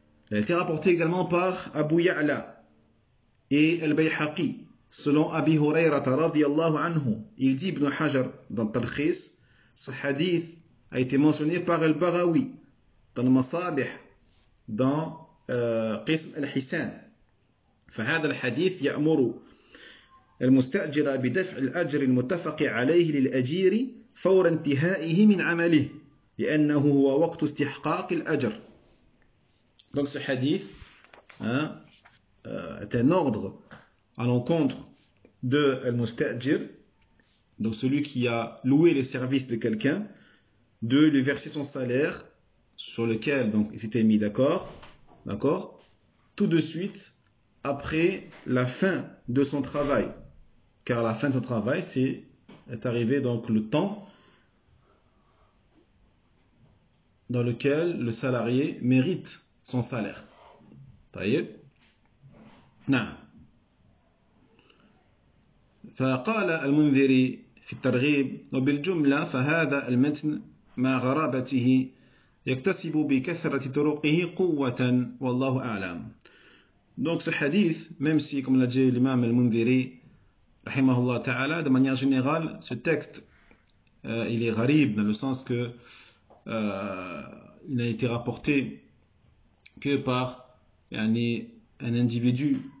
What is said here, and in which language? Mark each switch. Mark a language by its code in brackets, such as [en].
[fr] Elle a été rapportée également par Abu Ya'la et Al-Bayhaqi, selon Abi Hurayrata radiallahu anhu. Il dit Ibn Hajar dans le Talkhis, ce hadith a été mentionné par Al-Baghawi dans le Masabih, dans Qism al-Hisan. [ar] Fahad al-Hadith ya'muru. المستأجر بدفع الأجر المتفق عليه للأجير فور انتهائه من عمله لأنه هو وقت استحقاق الأجر. [fr] Donc ce hadith est un ordre à l'encontre de المستأجر, donc celui qui a loué les services de quelqu'un, de lui verser son salaire sur lequel donc il s'était mis d'accord, d'accord, tout de suite après la fin de son travail. Car la fin de son travail, est arrivé donc le temps dans lequel le salarié mérite son salaire. [ar] طيب. نعم. فقال المنذري في الترغيب وبالجملة فهذا المتن مع غرابته يكتسب بكثرة طرقه قوة والله أعلم. [fr] Donc ce hadith, même si comme l'a dit l'imam المنذري Rahimahullah ta'ala, de manière générale, ce texte, il est gharib, dans le sens que il n'a été rapporté que par un individu.